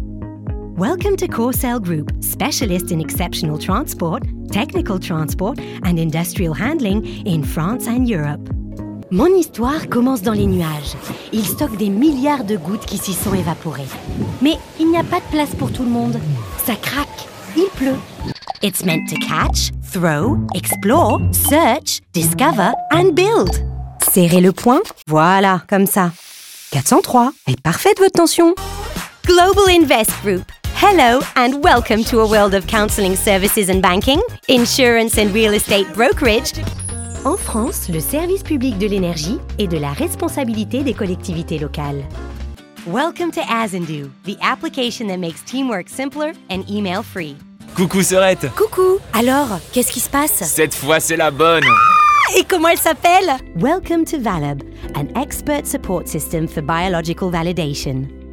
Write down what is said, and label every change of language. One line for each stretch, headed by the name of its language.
English: Welcome to Corsel Group, specialist in exceptional transport, technical transport and industrial handling in France and Europe.
French: Mon histoire commence dans les nuages. Ils stockent des milliards de gouttes qui s'y sont évaporées. Mais il n'y a pas de place pour tout le monde. Ça craque, il pleut.
English: It's meant to catch, throw, explore, search, discover and build.
French: Serrez le poing, voilà, comme ça. 403, elle est parfaite votre tension.
English: Global Invest Group. Hello and welcome to a world of counseling services and banking, insurance and real estate brokerage.
French: En France, le service public de l'énergie est de la responsabilité des collectivités locales.
English: Welcome to Azindu, the application that makes teamwork simpler and email free.
French: Coucou Sœurette. Coucou. Alors, qu'est-ce qui se passe? Cette fois, c'est la bonne. Et comment elle s'appelle?
English: Welcome to Valab, an expert support system for biological validation.